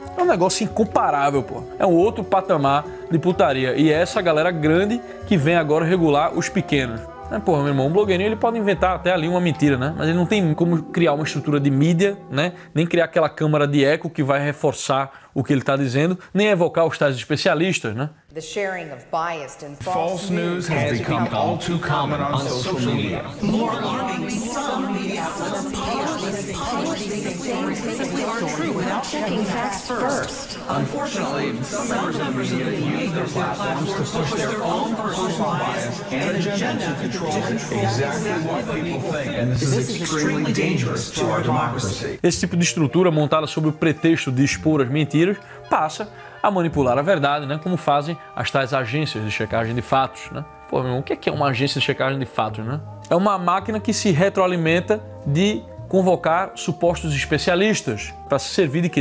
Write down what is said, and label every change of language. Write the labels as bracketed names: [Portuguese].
[Portuguese] É um negócio incomparável, pô. É um outro patamar de putaria. E é essa galera grande que vem agora regular os pequenos. É, porra, meu irmão, um blogueirinho ele pode inventar até ali uma mentira, né? Mas ele não tem como criar uma estrutura de mídia, né? Nem criar aquela câmara de eco que vai reforçar o que ele está dizendo, nem evocar os tais especialistas, né? [English] The sharing of biased and false news has become all too common on social media. More alarming, some media outlets publish these stories that simply aren't true without checking facts first. Unfortunately, some members of the media use their platforms to push their own personal bias and agenda to control exactly what people think. And this is extremely dangerous to our democracy. [Portuguese] Esse tipo de estrutura montada sob o pretexto de expor as mentiras passa a manipular a verdade, né? Como fazem as tais agências de checagem de fatos, né? Pô, meu irmão, o que é uma agência de checagem de fatos, né? É uma máquina que se retroalimenta de convocar supostos especialistas para se servir de quê?